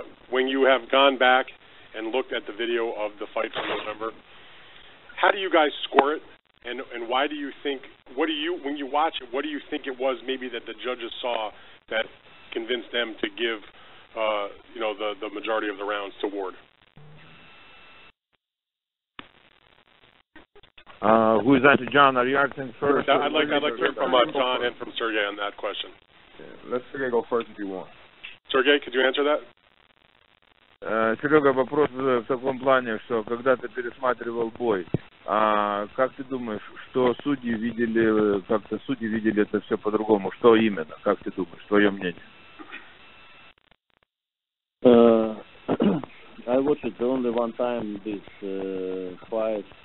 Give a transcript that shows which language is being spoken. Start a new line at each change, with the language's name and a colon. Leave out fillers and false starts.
English: When you have gone back and looked at the video of the fight from November, how do you guys score it, and why do you think, when you watch it, what do you think it was maybe that the judges saw that convinced them to give the majority of the rounds to Ward? Who is that, John? Are you answering first? I'd like to hear from John and from Sergey on that question. Yeah, let Sergey go first if you want. Sergey, could you answer that?
Russian: Серега, вопрос в таком плане, что когда ты пересматривал бой, как ты думаешь, что судьи видели, как-то судьи видели это все по-другому? Что именно? Как ты думаешь? Твое мнение?
English: I watched it only one time this fight.